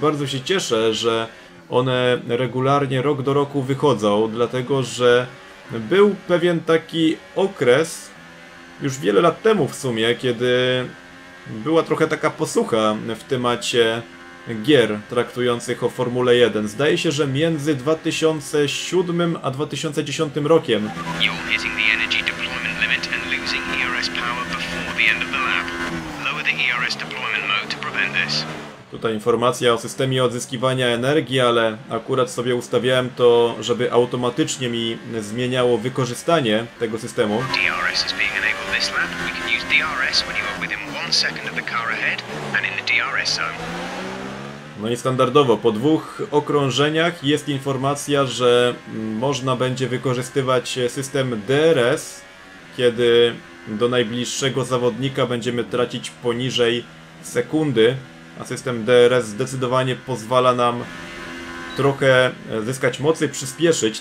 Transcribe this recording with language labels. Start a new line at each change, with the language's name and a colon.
Polish: Bardzo się cieszę, że one regularnie, rok do roku wychodzą, dlatego że był pewien taki okres, już wiele lat temu w sumie, kiedy była trochę taka posucha w temacie gier traktujących o Formule 1. Zdaje się, że między 2007 a 2010 rokiem.
English: You're hitting the energy deployment limit and losing ERS power before the end of the lap. Lower the ERS deployment mode to prevent this.
Polish: Tutaj informacja o systemie odzyskiwania energii, ale akurat sobie ustawiałem to, żeby automatycznie mi zmieniało wykorzystanie tego systemu.
English: DRS is being enabled this lap. We can use DRS when you are within 1 second of the car ahead and in the DRS zone.
Polish: No i standardowo, po dwóch okrążeniach jest informacja, że można będzie wykorzystywać system DRS, kiedy do najbliższego zawodnika będziemy tracić poniżej sekundy. A system DRS zdecydowanie pozwala nam trochę zyskać mocy, przyspieszyć.